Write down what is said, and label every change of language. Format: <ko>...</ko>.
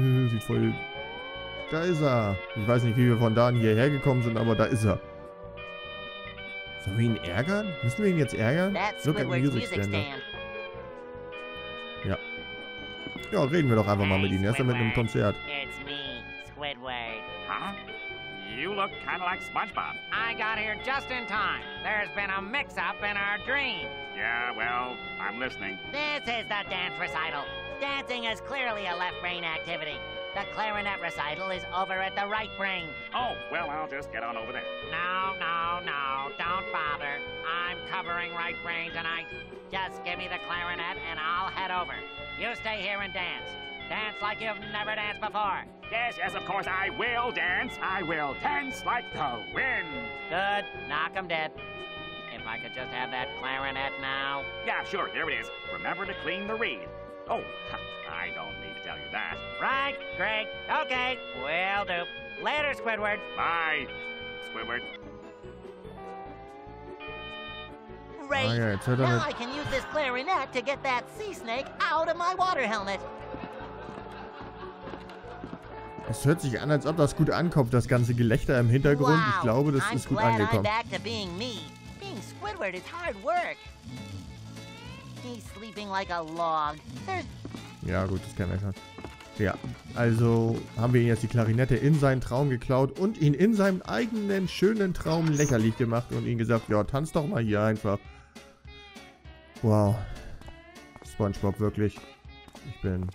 <de>Sieht voll... Da ist er. Ich weiß nicht, wie wir von da an hierher gekommen sind, aber da ist er. Sollen wir ihn ärgern? Müssen wir ihn jetzt ärgern?</de> <en>Look at Music Stand.</en> <de>Ja. Ja, reden wir doch einfach mal mit ihm. Er ist ja mit einem Konzert.</de> <en>It's me, Squidward. Huh? You look kind of like SpongeBob. I got here just in time. There's been a mix-up in our dream. Yeah, well, I'm listening. This is the dance recital. Dancing is clearly a left-brain activity. The clarinet recital is over at the right brain. Oh, well, I'll just get on over there. No, no, no, don't bother. I'm covering right brain tonight. Just give me the clarinet and I'll head over. You stay here and dance. Dance like you've never danced before. Yes, yes, of course, I will dance. I will dance like the wind. Good, knock 'em dead. If I could just have that clarinet now. Yeah, sure, here it is. Remember to clean the reed. Oh, I don't need to tell you that. Right, great, okay, will do. Later, Squidward. Bye, Squidward. Great, now I can use this clarinet to get that sea snake out of my water helmet.</en> <de>Es hört sich an, als ob das gut ankommt, das ganze Gelächter im Hintergrund. Wow. Ich glaube, das</de> <en>I'm</en> <de>ist gut angekommen.</de> <en>I'm back to being me. Being Squidward is hard work. He's sleeping like a log.</en> <de>Ja, gut, das kennen wir schon. Ja, also haben wir ihm jetzt die Klarinette in seinen Traum geklaut und ihn in seinem eigenen schönen Traum lächerlich gemacht und ihm gesagt, ja, tanz doch mal hier einfach. Wow. SpongeBob, wirklich. Ich bin...</de>